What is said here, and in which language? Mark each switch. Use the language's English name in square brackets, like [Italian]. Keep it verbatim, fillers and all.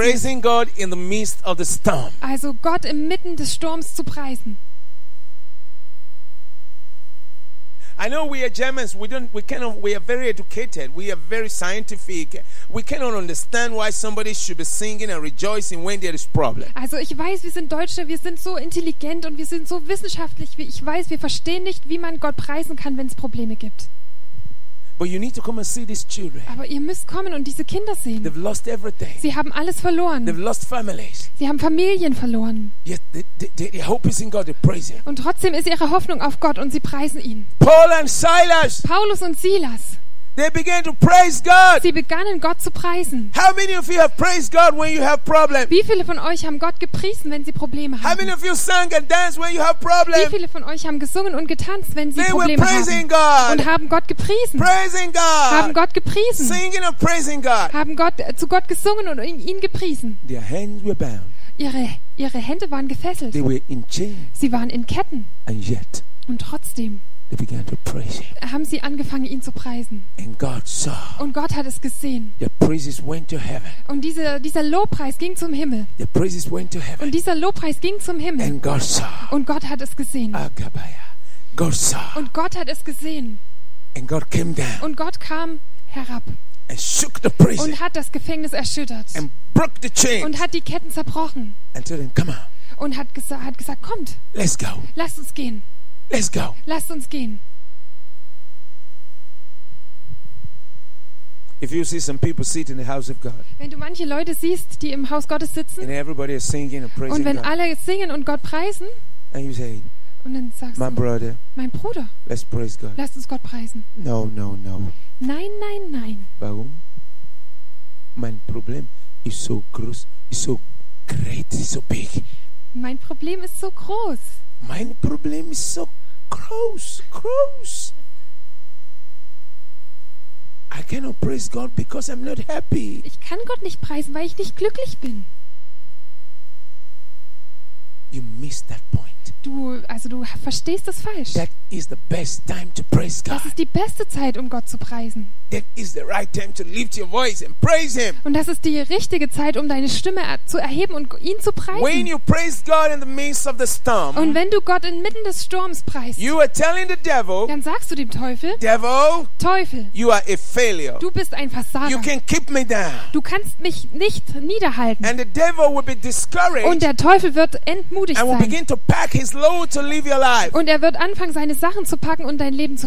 [English] Praising God in the midst of the storm. [German] Also, Gott im Mitten des Sturms zu preisen. [English] I know we are Germans. We don't, we cannot, we are very educated. We are very scientific. We cannot understand why somebody should be singing and rejoicing when there is problem. [German] Also, ich weiß, wir sind Deutsche, wir sind so intelligent und wir sind so wissenschaftlich. Ich weiß, wir verstehen nicht, wie man Gott preisen kann, wenn es Probleme gibt. [English] But you need to come and see these children. [German] Aber ihr müsst kommen und diese Kinder sehen. [English] They've lost everything. [German] Sie haben alles verloren. [English] They've lost families. [German] Sie haben Familien verloren. [English] Yet they, they, they, their hope is in God. They praise Him. [German] Und trotzdem ist ihre Hoffnung auf Gott und sie preisen ihn. [English] Paul and Silas. [German] Paulus und Silas. [English] They began to praise God. [German] Sie begannen Gott zu preisen. [English] How many of you have praised God when you have problems? [German] Wie viele von euch haben Gott gepriesen, wenn sie Probleme [English] How many [German] haben? [English] of you sang and danced when you have problems? [German] Wie viele von euch haben gesungen und getanzt, wenn sie [English] They were [German] Probleme haben? [English] praising God. [German] Und haben Gott gepriesen? [English] Praising God. [German] Haben Gott gepriesen? [English] Singing and praising God. [German] Haben Gott, äh, zu Gott gesungen und in, ihn gepriesen? [English] Their hands were bound. [German] Ihre, ihre Hände waren gefesselt. [English] They were in chains. [German] Sie waren in Ketten. [English] And yet, [German] Und trotzdem [English] They began to praise him. [German] Haben sie angefangen, ihn zu preisen. [English] And God saw [German] Und Gott hat es gesehen. [English] the praises went to heaven. [German] Und diese, dieser Lobpreis ging zum Himmel. [English] The praises went to heaven. [German] Und dieser Lobpreis ging zum Himmel. [English] And God saw [German] Und Gott hat es gesehen. [English] Agabaya. God saw [German] Und Gott hat es gesehen. [English] And God came down [German] Und Gott kam herab. [English] and shook the praises [German] Und hat das Gefängnis erschüttert. [English] and broke the chains [German] Und hat die Ketten zerbrochen. [English] and told him, "Come on." [German] Und hat gesa-, hat gesagt, "Kommt, [English] Let's go. [German] lasst uns gehen." [English] Let's go. [German] Lasst uns gehen. [English] If you see some people seated in the house of God, [German] Wenn du manche Leute siehst, die im Haus Gottes sitzen, [English] and everybody is singing and praising [German] und wenn [English] God, [German] alle singen und Gott preisen, [English] and you say, [German] und dann sagst [English] "My [German] du, [English] brother, [German] "Mein Bruder." [English] let's praise God." [German] Lasst uns Gott preisen. [English] No, no, no. [German] Nein, nein, nein. Warum? Mein Problem ist so groß, ist so [English] great, [German] ist so [English] big. [German] Mein Problem ist so groß. Mein Problem ist so groß, groß. [English] I cannot praise God because I'm not happy. [German] Ich kann Gott nicht preisen, weil ich nicht glücklich bin. [English] You miss that point. Gott. [German] Du, also du verstehst das falsch. [English] That is the best time to praise [German] Das [English] God. [German] ist die beste Zeit, um Gott zu preisen. [English] That is the right time to lift your voice and praise Him. [German] Und das ist die richtige Zeit, um deine Stimme er-, zu erheben und G-, ihn zu preisen. [English] When you praise God in the midst of the storm, [German] Und wenn du Gott inmitten des Sturms preist, [English] you are telling the devil, [German] dann sagst du dem Teufel, [English] "Devil, [German] Teufel, [English] you are a failure. [German] du bist ein Versager. [English] You can keep me down." [German] Du kannst mich nicht niederhalten. [English] And the devil will be discouraged [German] Und der Teufel wird entmutigt [English] and will [German] sein. [English] begin to pack He's low to live your life. [German] Und er wird anfangen, seine Sachen zu packen und dein Leben zu